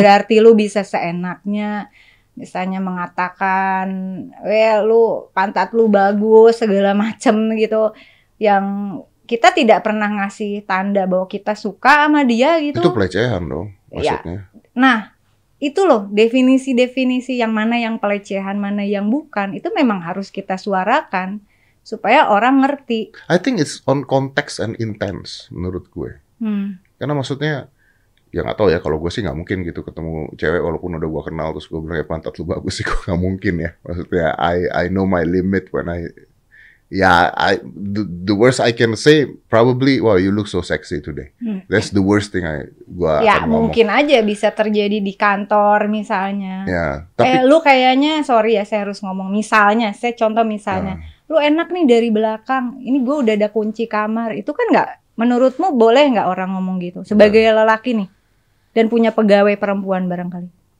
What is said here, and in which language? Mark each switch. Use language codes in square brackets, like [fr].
[id] berarti lu bisa seenaknya misalnya mengatakan, lu pantat lu bagus segala macem gitu, yang kita tidak pernah ngasih tanda bahwa kita suka sama dia gitu. Itu pelecehan dong maksudnya. Ya. Nah itu loh definisi-definisi yang mana yang pelecehan, mana yang bukan, itu memang harus kita suarakan supaya orang ngerti. [en] I think it's on context and intense [id] menurut gue. Karena maksudnya. Ya gak tau ya, kalau gue sih gak mungkin gitu ketemu cewek walaupun udah gue kenal terus gue bilang ya pantat lu bagus sih, gue gak mungkin ya. Maksudnya [en] I know my limit when I Yeah, the worst I can say probably, wow, you look so sexy today. That's the worst thing [id] gua akan ngomong. Ya, mungkin aja bisa terjadi di kantor misalnya. Yeah, tapi lu kayaknya, sorry ya, saya harus ngomong. Misalnya, saya contoh misalnya, lu enak nih dari belakang. Ini gua udah ada kunci kamar. Itu kan nggak, menurutmu boleh nggak orang ngomong gitu? Sebagai lelaki nih, dan punya pegawai perempuan barangkali.